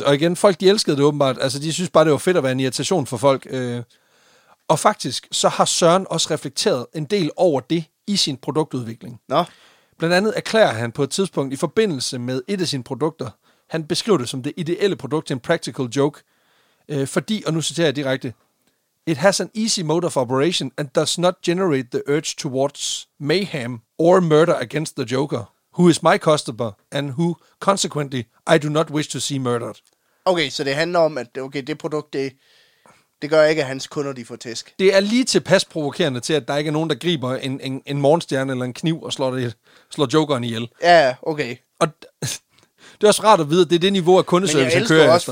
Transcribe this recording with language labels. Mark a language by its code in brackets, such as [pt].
[da] Og igen, folk, de elskede det åbenbart. Altså, de synes bare, det var fedt at være en irritation for folk. Og faktisk, så har Søren også reflekteret en del over det i sin produktudvikling. Nå. Blandt andet erklærer han på et tidspunkt i forbindelse med et af sine produkter. Han beskriver det som det ideelle produkt til en practical joke. Fordi, og nu citerer jeg direkte, [en] "It has an easy mode of operation and does not generate the urge towards mayhem or murder against the Joker, who is my customer and who, consequently, I do not wish to see murdered." [da] Okay, så det handler om, at okay, det produkt, det gør ikke, at hans kunder de får tæsk. Det er lige tilpas provokerende til, at der ikke er nogen, der griber en morgenstjerne eller en kniv og slår Jokeren ihjel. Ja, okay. Og det er også rart at vide, at det er det niveau af kundeservice, han kører efter.